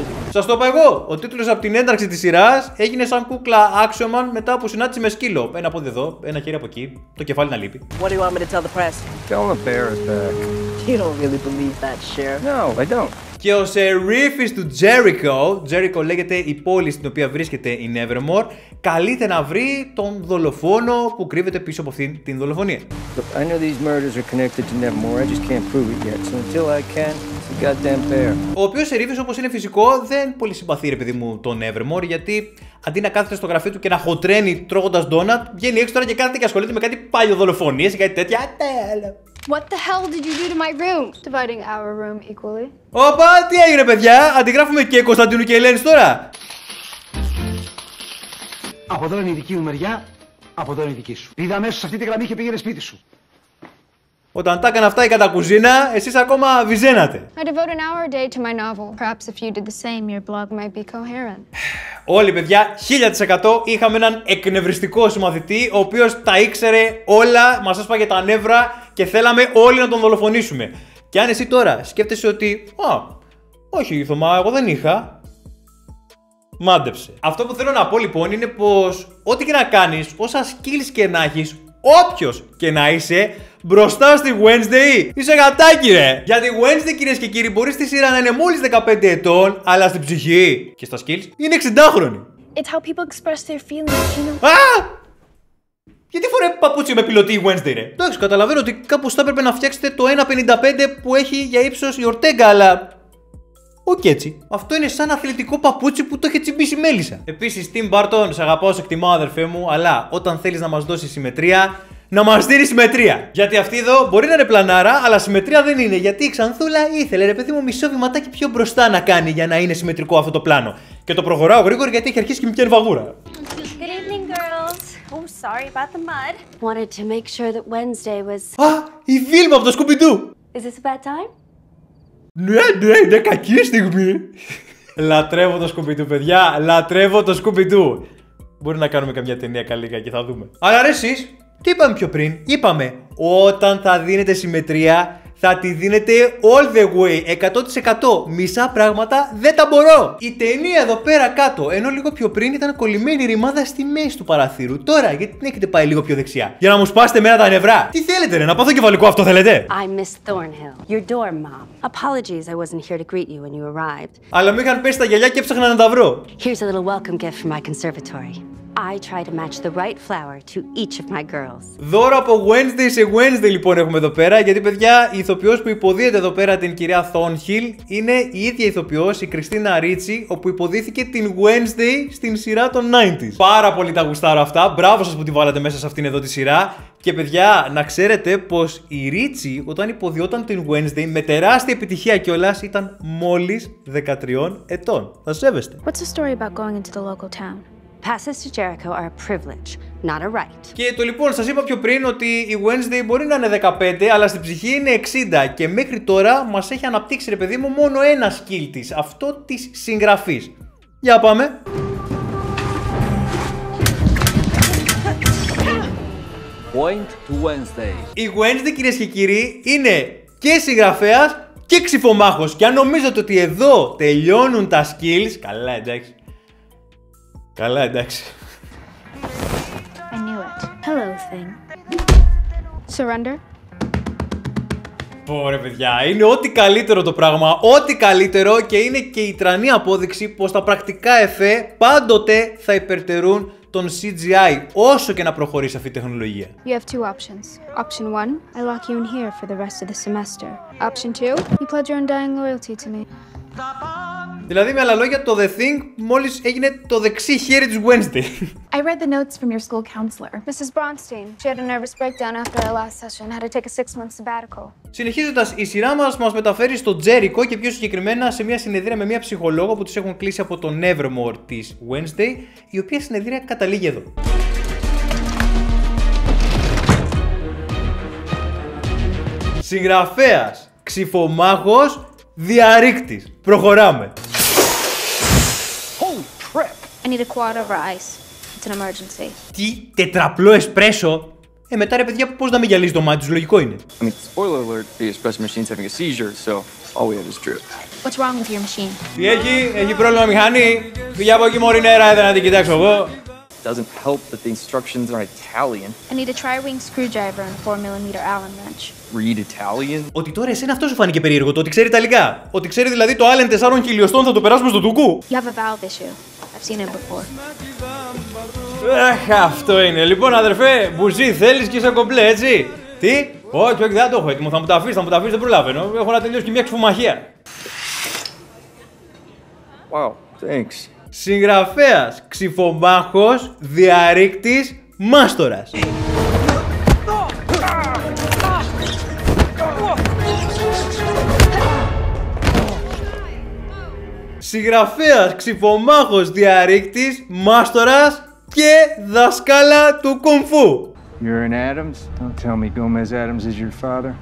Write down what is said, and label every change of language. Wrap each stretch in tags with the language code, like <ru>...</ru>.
<el>Σας το είπα εγώ, ο τίτλος από την ένταρξη της σειράς έγινε σαν κούκλα Action Man μετά που συνάντησε με σκύλο. Ένα πόδι εδώ, ένα χέρι από εκεί, το κεφάλι να λείπει.</el> <en>What do you want me to tell the press? Tell the bear is back. You don't really believe that, Sheriff. No, I don't.</en> <el>Και ο Σερίφης του Jericho λέγεται η πόλη στην οποία βρίσκεται η Nevermore, καλείται να βρει τον δολοφόνο που κρύβεται πίσω από αυτήν την δολοφονία.</el> <en>Look, I know these murders are connected to Nevermore, I just can't prove it yet, so until I can, it's a goddamn bear.</en> <el>Ο οποίος Σερίφης, όπως είναι φυσικό, δεν πολύ συμπαθεί, ρε παιδί μου, τον Nevermore, γιατί αντί να κάθεται στο γραφείο του και να χοτρένει τρώγοντας ντόνατ, βγαίνει έξω τώρα και κάθεται και ασχολείται με κάτι πάλιο δολοφονίες ή κάτι τέτοια.</el> <en>What the hell did you do to my room? Dividing our room equally.</en> <el>Όπα, τι έγινε παιδιά, αντιγράφουμε και Κωνσταντίνου και Ελένης τώρα. Από εδώ είναι η δική μου μεριά, από εδώ είναι η δική σου. Πήγα αμέσως σε αυτή τη γραμμή και πήγαινε σπίτι σου. Όταν τα έκανα αυτά η κατακουζίνα, εσείς ακόμα βυζένατε.</el> <en>I devote an hour a day to my novel. Perhaps if you did the same, your blog might be coherent.</en> <el>Όλοι παιδιά, 1000% είχαμε έναν εκνευριστικό συμμαθητή, ο οποίος τα ήξερε όλα, μας έσπαγε τα νεύρα και θέλαμε όλοι να τον δολοφονήσουμε. Και αν εσύ τώρα σκέφτεσαι ότι, α, όχι Θωμά, εγώ δεν είχα, μάντεψε. Αυτό που θέλω να πω λοιπόν είναι πως ό,τι και να κάνεις, όσα skills και να έχεις, όποιος και να είσαι, μπροστά στη Wednesday, είσαι γατάκι ρε! Γιατί Wednesday, κυρίες και κύριοι, μπορεί στη σειρά να είναι μόλις 15 ετών, αλλά στην ψυχή και στα skills είναι 60χρονη.</el> <en>It's how people express their feelings, you know. Α!</en> <el>Γιατί φοράει παπούτσι με πιλωτή η Wednesday, ρε! Εντάξει, καταλαβαίνω ότι κάπως θα έπρεπε να φτιάξετε το 1,55 που έχει για ύψος η Ortega, αλλά όχι έτσι. Αυτό είναι σαν αθλητικό παπούτσι που το έχει τσιμπήσει μέλισσα. Επίσης, Tim Burton, σε αγαπάω, σε εκτιμάω, αδερφέ μου, αλλά όταν θέλεις να μας δώσει συμμετρία, να μας δίνει συμμετρία. Γιατί αυτή εδώ μπορεί να είναι πλανάρα, αλλά συμμετρία δεν είναι. Γιατί η Ξανθούλα ήθελε, ρε παιδί μου, μισό βηματάκι πιο μπροστά να κάνει για να είναι συμμετρικό αυτό το πλάνο. Και το προχωράω γρήγορα γιατί έχει αρχίσει και με πιάνει βαγούρα.</el> <en>Good evening, girls. Oh, sorry about the mud. Wanted to make sure that Wednesday was...</en> <el>Α, η Βίλμα από το Scooby-Doo.</el> <en>Is this a bad time?</en> <el>Ναι, είναι κακή στιγμή. Λατρεύω το Scooby-Doo, παιδιά. Λατρεύω το Scooby-Doo. Μπορεί να κάνουμε καμιά ταινία καλύτερα και θα δούμε. Αλλά ρε εσείς, τι είπαμε πιο πριν. Είπαμε, όταν θα δίνετε συμμετρία, θα τη δίνετε</el> <en>all the way,</en> <el>100%. Μισά πράγματα δεν τα μπορώ. Η ταινία εδώ πέρα κάτω, ενώ λίγο πιο πριν ήταν κολλημένη ρημάδα στη μέση του παραθύρου. Τώρα, γιατί την έχετε πάει λίγο πιο δεξιά? Για να μου σπάσετε μένα τα νευρά. Τι θέλετε, ρε, να πάθω κεφαλικό, αυτό θέλετε?</el> <en>I'm Miss Thornhill, your door mom. Apologies, I wasn't here to greet you when you arrived.</en> <el>Αλλά μου είχαν πέσει τα γυαλιά και ψάχνα να τα βρω.</el> <en>Here's a little welcome gift for my conservatory. I try to match the right flower to each of my girls.</en> <el>Δώρο από Wednesday σε Wednesday λοιπόν έχουμε εδώ πέρα, γιατί παιδιά, η ηθοποιός που υποδίεται εδώ πέρα την κυρία Thornhill είναι η ίδια ηθοποιός, η Κριστίνα Ρίτσι, όπου υποδίθηκε την Wednesday στην σειρά των 90s. Πάρα πολύ τα γουστάρω αυτά, μπράβο σας που τη βάλατε μέσα σε αυτήν εδώ τη σειρά. Και παιδιά, να ξέρετε πως η Ρίτσι, όταν υποδιόταν την Wednesday, με τεράστια επιτυχία κιόλας, ήταν μόλις 13 ετών. Θα σέβεστε.</el> <en>What's the story about going into the local town? Passes to Jericho are a privilege, not a right.</en> <el>Και το λοιπόν, σας είπα πιο πριν ότι η Wednesday μπορεί να είναι 15, αλλά στην ψυχή είναι 60. Και μέχρι τώρα μας έχει αναπτύξει, ρε παιδί μου, μόνο ένα skill της, αυτό της συγγραφής. Για πάμε.</el> <en>Point to Wednesday.</en> <el>Η Wednesday, κυρίες και κύριοι, είναι και συγγραφέας και ξυφομάχος. Και αν νομίζετε ότι εδώ τελειώνουν τα skills, καλά εντάξει. Καλά, εντάξει.</el> <en>I knew it. Hello, thing. Surrender.</en> <el>Πω ρε παιδιά, είναι ό,τι καλύτερο το πράγμα, ό,τι καλύτερο και είναι και η τρανή απόδειξη πως τα πρακτικά εφέ πάντοτε θα υπερτερούν τον CGI, όσο και να προχωρήσει αυτή η τεχνολογία.</el> <en>You have two options. Option 1, I lock you in here for the rest of the semester. Option 2, you pledge your undying loyalty to me.</en> <el>Δηλαδή με άλλα λόγια, το The Thing μόλις έγινε το δεξί χέρι της Wednesday.</el> <en>I read the notes from your school counselor, Mrs. Bronstein. She had a nervous breakdown after our last session, had to take a 6-month sabbatical.</en> <el>Συνεχίζοντας, η σειρά μας μεταφέρει στο Τζέρικο και πιο συγκεκριμένα σε μια συνεδρία με μια ψυχολόγο που τους έχουν κλείσει από το Nevermore της Wednesday, η οποία συνεδρία καταλήγει εδώ. Συγγραφέας, ξυφομάχος, διαρρήκτης. Προχωράμε.</el> <en>I need a quad over ice. It's an emergency.</en> <el>Τι, τετραπλό εσπρέσο? Μετά ρε παιδιά, πώς να μην γυαλίζει το μάτι τους, λογικό είναι.</el> <en>I mean, spoiler alert, the espresso machine's having a seizure, so all we have is drip. What's wrong with your machine?</en> <el>Τι έχει, έχει πρόβλημα μηχανή. Φύγε από εκεί, μωρή νερά, έδω να την κοιτάξω εγώ.</el> <en>Doesn't help that the instructions are Italian. I need a tri-wing screwdriver and a 4mm Allen wrench. Read Italian.</en> <el>Ότι τώρα εσένα αυτό σου φάνηκε περίεργο, το ότι ξέρει ιταλικά. Ότι ξέρει δηλαδή το Allen 4 χιλιοστών θα το περάσουμε στο τουκού.</el> <en>You have a valve issue. I've seen it before.</en> <el>Αχ, αυτό είναι. Λοιπόν, αδερφέ, μπουζί, θέλεις και είσαι κομπλέ, έτσι. Τι? Όχι, όχι, δεν το έχω έτοιμο. Θα μου τα αφήσεις, δεν προλαβαίνω. Έχω να τελειώσει και μια ξυφομαχία.</el> <en>Wow, thanks.</en> <el>Συγγραφέας, ξυφομάχος, διαρρήκτης, μάστορας. Συγγραφέας, ξυφομάχος, διαρρήκτης, μάστορας και δασκάλα του κουμφού.</el> <en>You're an Adams. Don't tell me Gomez Adams is your father.</en>